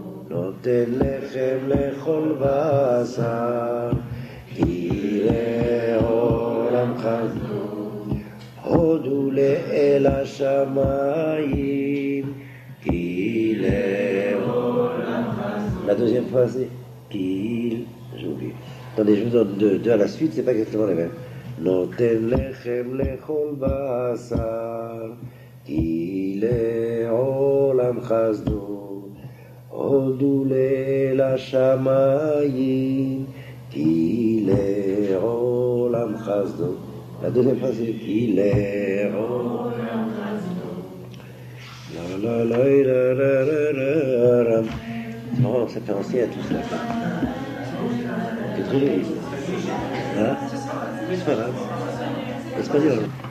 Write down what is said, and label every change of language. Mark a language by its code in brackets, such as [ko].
[he] נותן לחם לכל בשר, כי לעולם חסדו. הודו לאל השמיים, כי לעולם חסדו. [fr] La deuxième fois, c'est [he] כי [fr] j'ai oublié. Attendez, je vous donne deux à la suite, c'est pas exactement les mêmes. [he] נותן לחם לכל בשר, כי לעולם חסדו. הודו לאל השמיים, כי לעולם חסדו. [fr] La deuxième phrase est [he] כי לעולם חסדו. [fr] La la la la la la la. Bon, ça fait ancien à tout ça. C'est très joli. Hein? C'est pas grave. C'est pas grave.